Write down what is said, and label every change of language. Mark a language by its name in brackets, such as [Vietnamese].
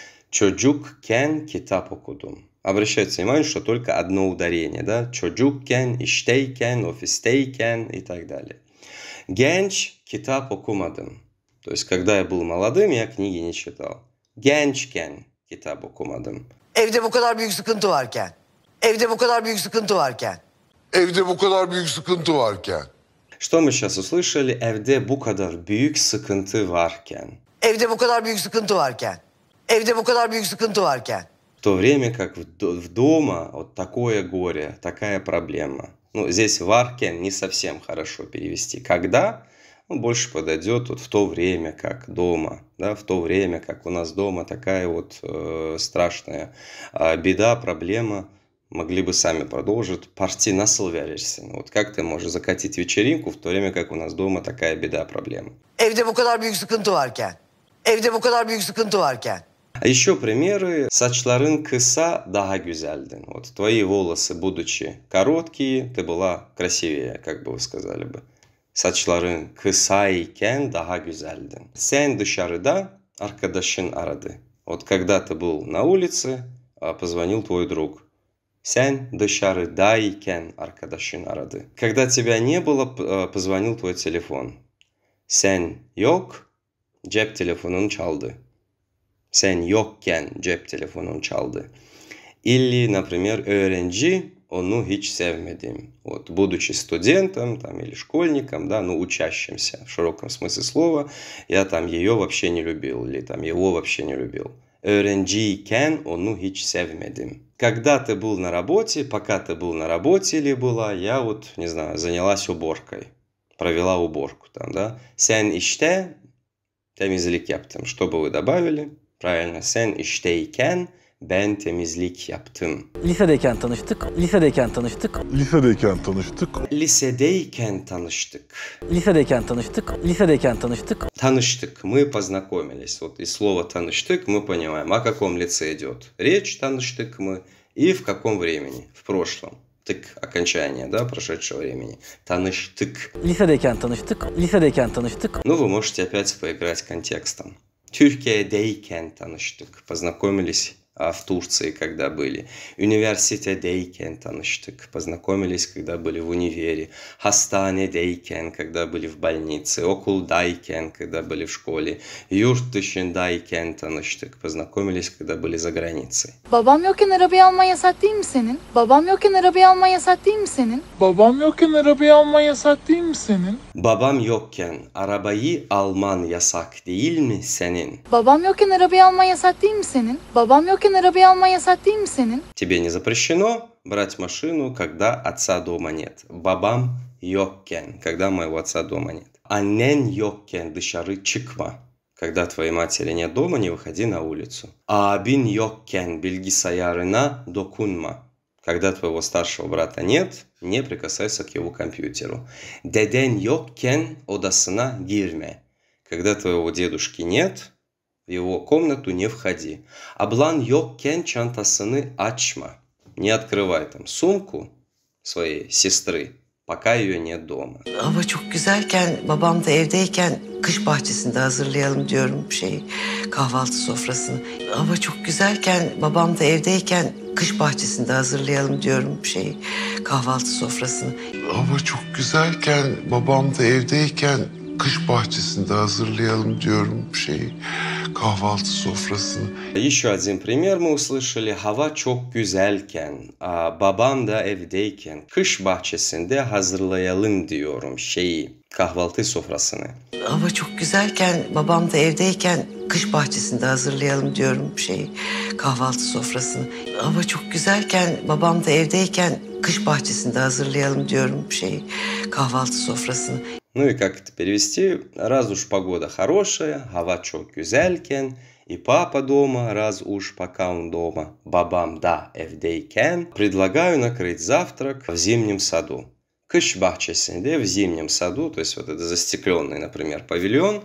[Turkish] Чоджук кен китап окудум. [Russian] Обращайте внимание, что только одно ударение, да? [Turkish] Чоджук кен, иштей кен, офистей кен [Russian] и так далее. [Turkish] Генч китап окумадым. [Russian] То есть, когда я был молодым, я книги не читал. [Turkish] Генч кен китап окумадым. Evde bu kadar büyük sıkıntı varken. Evde bu kadar büyük sıkıntı varken. Evde bu kadar büyük sıkıntı varken. [Russian] Что мы сейчас услышали? [Turkish] Evde bu kadar büyük sıkıntı varken. Evde bu kadar büyük sıkıntı varken. Evde bu kadar büyük sıkıntı varken. [Russian] В то время как в дома вот такое горе, такая проблема. Ну, здесь varken не совсем хорошо перевести. Когда? Ну, больше подойдет вот в то время как дома. Да? В то время как у нас дома такая вот страшная беда, проблема. Могли бы сами продолжить. [Turkish] Парти насыл вяришься. [Russian] Вот как ты можешь закатить вечеринку, в то время как у нас дома такая беда, проблема. [Turkish] Evde bu kadar büyük sıkıntı varken. Evde bu kadar büyük sıkıntı varken. [Russian] А еще примеры. [Turkish] Saçların kısa daha güzeldin. [Russian] Вот твои волосы, будучи короткие, ты была красивее, как бы вы сказали бы. [Turkish] Saçların kısayken daha güzeldin. Sen dışarıda arkadaşın aradı. [Russian] Вот когда ты был на улице, позвонил твой друг. [Turkish] Sen dışarıdayken arkadaşın aradı. [Russian] Когда тебя не было, позвонил твой телефон. [Turkish] Sen yok, cep telefonun çaldı. Sen yokken cep telefonun çaldı. [Russian] Или, например, [Turkish] öğrenci onu hiç sevmedim. [Russian] Вот, будучи студентом там, или школьником, да, ну, учащимся в широком смысле слова, я там ее вообще не любил или там его вообще не любил. [Turkish] Öğrenciyken onu hiç sevmedim. [Russian] Когда ты был на работе, пока ты был на работе или была, я вот, не знаю, занялась уборкой. Провела уборку там, да. [Turkish] Sen işte temizlik yaptım. [Russian] Что бы вы добавили? Правильно. [Turkish] Sen işteyken ben temizlik yaptım. Lisedeyken tanıştık. Lisedeyken tanıştık. Lisedeyken tanıştık. Lisedeyken tanıştık. Lisedeyken tanıştık. Lisedeyken tanıştık. Tanıştık. [Russian] Мы познакомились. Вот из слова «tanıştık» мы понимаем, о каком лице идет речь, «tanıştık» мы, и в каком времени, в прошлом. Tık, окончание, да, прошедшего времени. [Turkish] Tanıştık. Lisedeyken tanıştık. Lisedeyken tanıştık. [Russian] Ну, вы можете опять поиграть контекстом. [Turkish] Türkiye'deyken tanıştık. [Russian] Познакомились в Турции, когда были. [Turkish] Университетте iken tanıştık. [Russian] Познакомились, когда были в универе. [Turkish] Hastanede iken, [Russian] когда были в больнице. [Turkish] Okulda iken, [Russian] когда были в школе. [Turkish] Yurt dışında iken tanıştık. [Russian] Познакомились, когда были за границей. [Turkish] Babam yokken arabayı almaya yasak değil mi senin? Babam yokken arabayı almaya yasak değil mi senin? Babam yokken arabayı almaya yasak değil mi senin? Babam yokken arabayı alman yasak değil mi senin? Babam yokken arabayı almaya yasak değil mi senin? Babam yokken arabayı almaya yasak değil mi senin? [Russian] Тебе не запрещено брать машину, когда отца дома нет. [Turkish] Babam yokken, [Russian] когда моего отца дома нет. [Turkish] Annen yokken dışarı çıkma. [Russian] Когда твоей матери нет дома, не выходи на улицу. [Turkish] Abin yokken bilgisayarına dokunma. [Russian] Когда твоего старшего брата нет, не прикасайся к его компьютеру. [Turkish] Deden yokken odasına girme. [Russian] Когда твоего дедушки нет, в его комнату не входи. [Turkish] Ablan yokken çantasını açma. [Russian] Не открывай там сумку своей сестры, пока ее нет дома. [Turkish] Hava çok güzelken, babam da evdeyken kış bahçesinde hazırlayalım diyorum şey, kahvaltı sofrasını. Hava çok güzelken, babam da evdeyken kış bahçesinde hazırlayalım diyorum şey, kahvaltı sofrasını. Hava çok güzelken, babam da evdeyken kış bahçesinde hazırlayalım diyorum şey, kahvaltı sofrasını. [Russian] Еще один пример мы услышали. [Turkish] Hava çok güzelken, babam da evdeyken kış bahçesinde hazırlayalım diyorum şeyi, kahvaltı sofrasını. Hava çok güzelken, babam da evdeyken kış bahçesinde hazırlayalım diyorum şey, kahvaltı sofrasını. Hava çok güzelken, babam da evdeyken kış bahçesinde hazırlayalım diyorum şey, kahvaltı sofrasını. [Russian] Ну и как это перевести? Раз уж погода хорошая, [Turkish] hava çok güzelken, [Russian] и папа дома, раз уж пока он дома, [Turkish] babam da evdeyken, [Russian] предлагаю накрыть завтрак в зимнем саду. [Turkish] Кыш бахчесинде, [Russian] в зимнем саду, то есть вот этот застекленный, например, павильон.